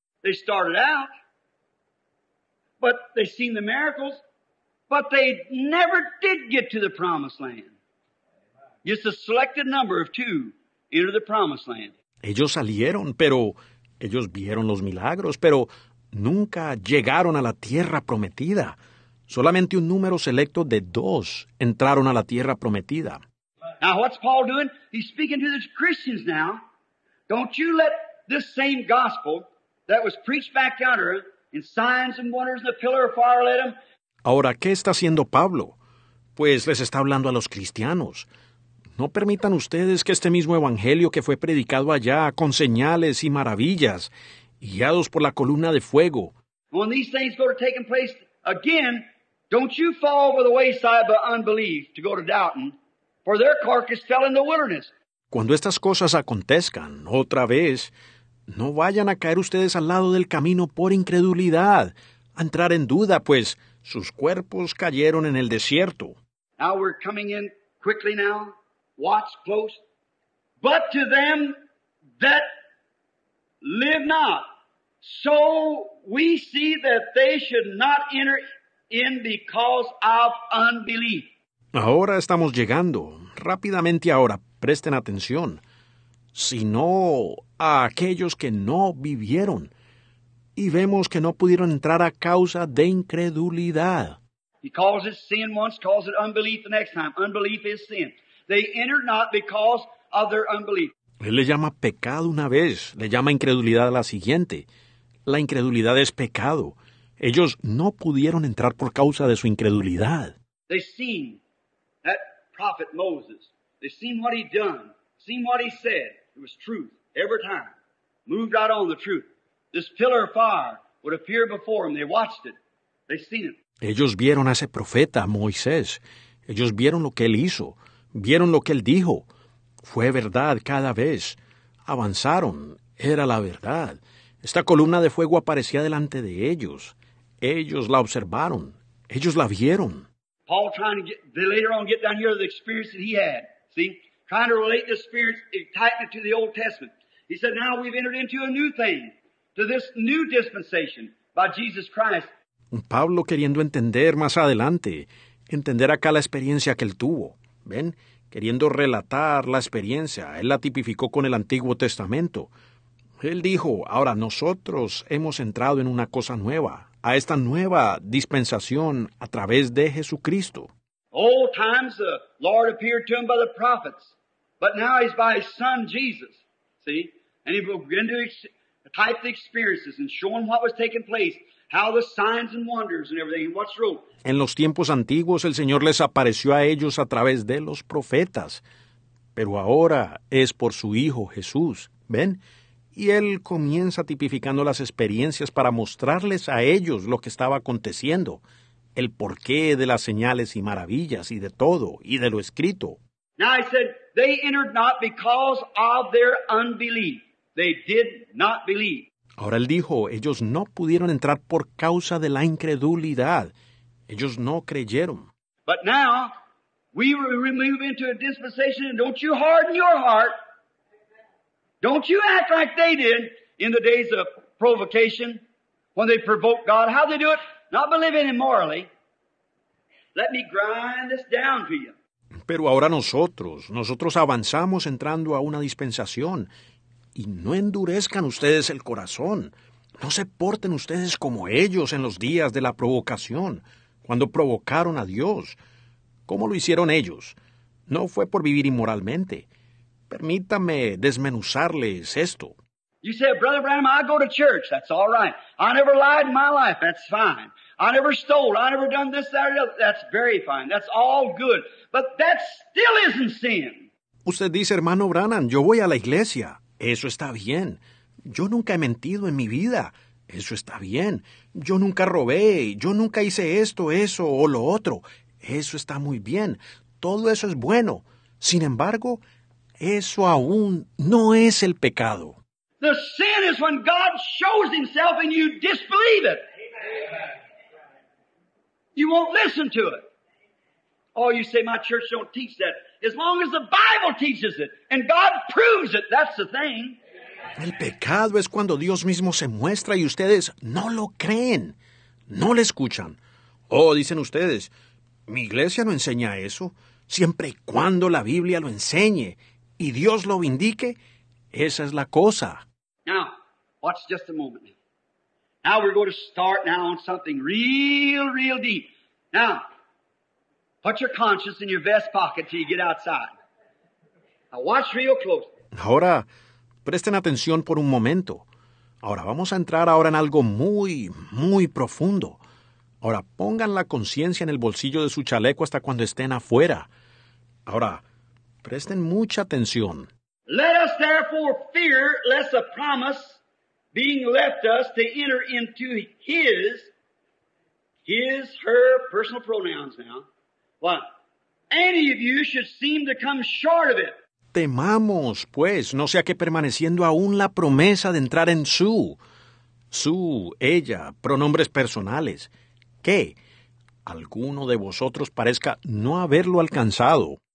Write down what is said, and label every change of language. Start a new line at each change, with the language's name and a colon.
English: They started out, but they seen the miracles, but they never did get to the promised land. Just a selected number of two entered the promised land.
Spanish: Ellos salieron, pero ellos vieron los milagros, pero nunca llegaron a la tierra prometida. Solamente un número selecto de dos entraron a la tierra prometida.
English: Now, what's Paul doing? He's speaking to the Christians now. Don't you let this same gospel that was preached back yonder in signs and wonders and the pillar of fire let him.
Spanish: Ahora, ¿qué está haciendo Pablo? Pues les está hablando a los cristianos. No permitan ustedes que este mismo evangelio que fue predicado allá con señales y maravillas, guiados por la columna de fuego.
English: When these things go to take place again, don't you fall by the wayside by unbelief to go to doubting, for their carcass fell in the wilderness.
Spanish: Cuando estas cosas acontezcan otra vez, no vayan a caer ustedes al lado del camino por incredulidad, a entrar en duda, pues sus cuerpos cayeron en el desierto.
English: Now we're coming in quickly now. Watch close. But to them that live not, so we see that they should not enter in because of unbelief.
Spanish: Ahora estamos llegando. Rápidamente ahora, presten atención. Sino a aquellos que no vivieron. Y vemos que no pudieron entrar a causa de incredulidad.
English: He calls it sin once, calls it unbelief the next time. Unbelief is sin. They entered not because of their unbelief.
Spanish: Él le llama pecado una vez, le llama incredulidad a la siguiente. La incredulidad es pecado. Ellos no pudieron entrar por causa de su incredulidad.
English: They seen that prophet Moses. They seen what he'd done, seen what he said. It was truth every time. Moved out on the truth. This pillar of fire would appear before them. They watched it. They seen it.
Spanish: Ellos vieron a ese profeta Moisés. Ellos vieron lo que él hizo. Vieron lo que él dijo. Fue verdad cada vez. Avanzaron. Era la verdad. Esta columna de fuego aparecía delante de ellos. Ellos la observaron. Ellos la vieron.
English: Paul trying to get, they later on get down here to the experience that he had. See? Trying to relate the experience, tighten it to the Old Testament. He said, now we've entered into a new thing, to this new dispensation by Jesus Christ.
Spanish: Pablo queriendo entender más adelante, entender acá la experiencia que él tuvo. ¿Ven? Queriendo relatar la experiencia, él la tipificó con el Antiguo Testamento. Él dijo, ahora nosotros hemos entrado en una cosa nueva, a esta nueva dispensación a través de Jesucristo.
English: Old times the Lord appeared to him by the prophets, but now he's by his son Jesus, see? And he began to type the experiences and show him what was taking place. How the signs and wonders and everything. What's true?
Spanish: En los tiempos antiguos, el Señor les apareció a ellos a través de los profetas. Pero ahora es por su Hijo Jesús. ¿Ven? Y Él comienza tipificando las experiencias para mostrarles a ellos lo que estaba aconteciendo. El porqué de las señales y maravillas y de todo y de lo escrito.
English: Now I said, they entered not because of their unbelief. They did not believe.
Spanish: Ahora él dijo, ellos no pudieron entrar por causa de la incredulidad. Ellos no creyeron.
English: But now, we move into a dispensation, and don't you harden your heart. Don't you act like they did in the days of provocation, when they provoked God. How they do it? Not believing immorally. Let me grind this down to you.
Spanish: Pero ahora nosotros avanzamos entrando a una dispensación. Y no endurezcan ustedes el corazón. No se porten ustedes como ellos en los días de la provocación, cuando provocaron a Dios. ¿Cómo lo hicieron ellos? No fue por vivir inmoralmente. Permítame desmenuzarles esto.
English: You said, Brother Branham, I go to church. That's all right. I never lied in my life. That's fine. I never stole. I never done this, that, or the other. That's very fine. That's all good. But that still isn't sin.
Spanish: Usted dice, hermano Branham, yo voy a la iglesia. Eso está bien. Yo nunca he mentido en mi vida. Eso está bien. Yo nunca robé. Yo nunca hice esto, eso o lo otro. Eso está muy bien. Todo eso es bueno. Sin embargo, eso aún no es el pecado.
English: The sin is when God shows himself and you disbelieve it. You won't listen to it. Oh, you say, my church don't teach that. As long as the Bible teaches it and God proves it, that's the thing.
Spanish: El pecado es cuando Dios mismo se muestra y ustedes no lo creen. No le escuchan. Oh, dicen ustedes, mi iglesia no enseña eso. Siempre y cuando la Biblia lo enseñe y Dios lo vindique, esa es la cosa.
English: Now, watch just a moment. Now we're going to start now on something real, real deep. Now, put your conscience in your vest pocket till you get outside. Now watch real close.
Spanish: Ahora, presten atención por un momento. Ahora vamos a entrar ahora en algo muy, muy profundo. Ahora pongan la conciencia en el bolsillo de su chaleco hasta cuando estén afuera. Ahora, presten mucha atención.
English: Let us therefore fear lest a promise being left us to enter into his, her personal pronouns now. What? Any of you should seem to come short of it.
Spanish: Temamos, pues, no sea que permaneciendo aún la promesa de entrar en su, ella, pronombres personales, que alguno de vosotros parezca no haberlo alcanzado.